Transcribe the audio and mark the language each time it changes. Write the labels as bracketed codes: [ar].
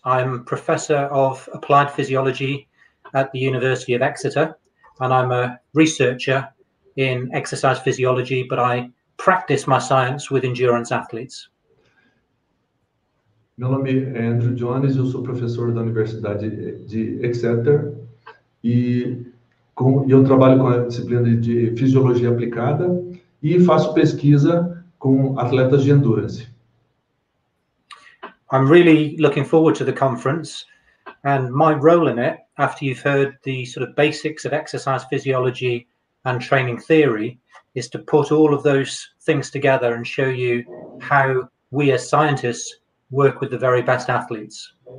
[en] I'm Professor of Applied Physiology at the University of Exeter, and I'm a researcher in exercise physiology, but I practice my science with endurance athletes. [pt] Meu nome é Andrew Jones, eu sou professor da Universidade de Exeter e eu trabalho com a disciplina de Fisiologia Aplicada e faço pesquisa com atletas de endurance. [en] I'm really looking forward to the conference and my role in it, after you've heard the sort of basics of exercise physiology and training theory, is to put all of those things together and show you how we as scientists work with the very best athletes.